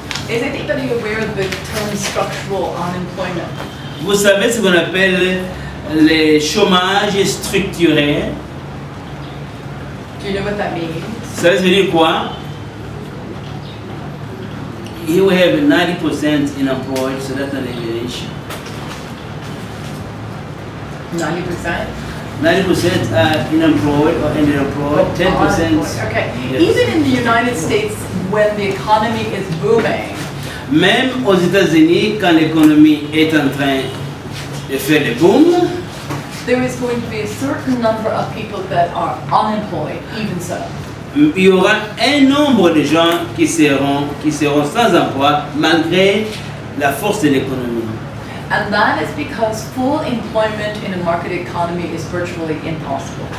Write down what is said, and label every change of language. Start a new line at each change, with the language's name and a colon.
English: Is anybody aware of the term structural unemployment?
French: Vous savez ce qu'on appelle le chômage structuré?
English: Do you know what that means?
French: Ça veut dire quoi?
English: You have 90% unemployed, so that's an elimination. 90%? 90% are unemployed or underemployed, 10%. Okay, yes. Even in the United States, when the economy is booming,
French: même aux États-Unis, quand l'économie est en train de faire le boom,
English: there is going to be a certain number of people that are unemployed, even so.
French: Il y aura un nombre de gens qui seront sans emploi malgré la force de l'économie.
English: And that is because full employment in a market economy is virtually impossible.